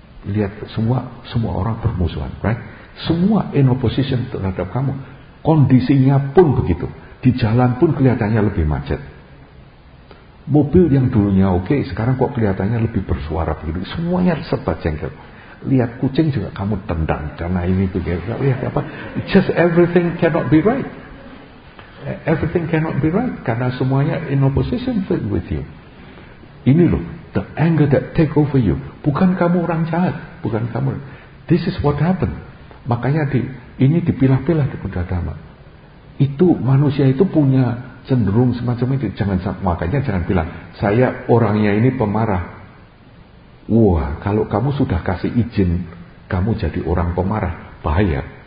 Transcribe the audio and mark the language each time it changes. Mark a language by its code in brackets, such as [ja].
[id] Lihat semua orang bermusuhan, right? Semua [en] in opposition [id] terhadap kamu. Kondisinya pun begitu. Di jalan pun kelihatannya lebih macet. Mobil yang dulunya oke, sekarang kok kelihatannya lebih bersuara begitu. Semuanya serba jengkel. Lihat kucing juga kamu tendang karena ini begitu. Lihat apa? [en] Just everything cannot be right. Everything cannot be right [id] karena semuanya [en] in opposition with you. [id] Ini loh, [en] the anger that take over you. [id] Bukan kamu orang jahat, bukan kamu. [en] This is what happened. [id] Makanya ini dipilah-pilah di Buddha-Dhamma. Itu manusia itu punya cenderung semacam itu. Jangan, makanya jangan bilang saya orangnya ini pemarah. Wah, kalau kamu sudah kasih izin kamu jadi orang pemarah, bahaya.